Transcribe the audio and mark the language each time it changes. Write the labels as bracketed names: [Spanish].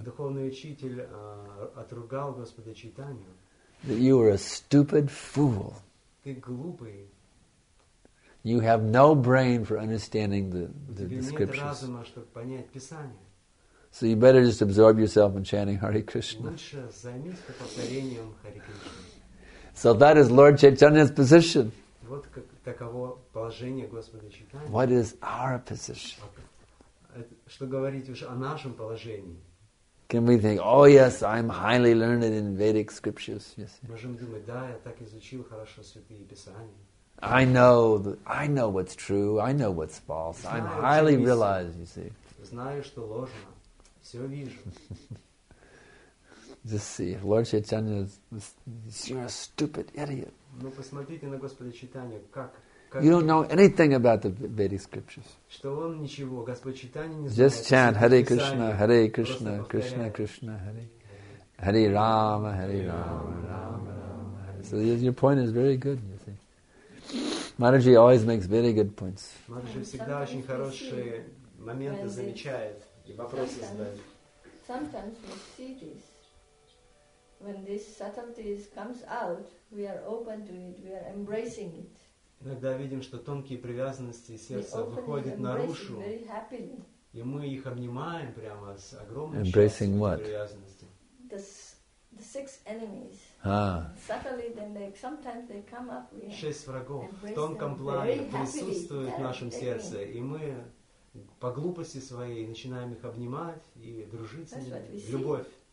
[Russian] Духовный учитель отругал Господа Чайтанью. [English] That you are a stupid fool. [Russian] Ты глупый. [English] You have no brain for understanding the scriptures. [Russian] Тебе нет разума, чтобы понять Писание. [English] So you better just absorb yourself in chanting Hare Krishna. [Russian] Лучше займись повторением Хари Кришны. [English] So that is Lord Chaitanya's position. [Russian] Вот как таково положение Господа Чайтаньи. [English] What is our position? [Russian] Что говорить уж о нашем положении? [English] Can we think, oh yes, I'm highly learned in Vedic scriptures? Yes. [Russian] Можем думать, да, я так изучил хорошо святые писания. [English] I know what's true. I know what's false. I'm highly realized. You see. [Russian] Знаю, что ложно. Все вижу. [English] Just see, Lord Chaitanya, you're a stupid idiot. [Russian] Ну посмотрите на Господа Чайтанью, как. [English] You don't know anything about the Vedic scriptures. [Russian] Что он ничего, Господь Чайтанья не знает. [English] Just chant Hare Krishna, Hare Krishna, Krishna Krishna, Hare. [Sanskrit] Hare Rama, Hare Rama. [English] So your point is very good, you see. Maharaji always makes very good points. [Russian] Maharaji всегда очень хорошие моменты замечает и вопросы задает. [English] Sometimes we see this. When this subtlety comes out, we are open to it, we are embracing it. [Russian] Иногда видим, что тонкие привязанности сердца выходят наружу, и мы их обнимаем прямо с огромной привязанностью. [English] The six enemies. Subtly, then they sometimes they come up. [Russian] Шесть врагов в тонком плане присутствуют в нашем сердце, и мы по глупости своей начинаем их обнимать и дружить с ними. Любовь.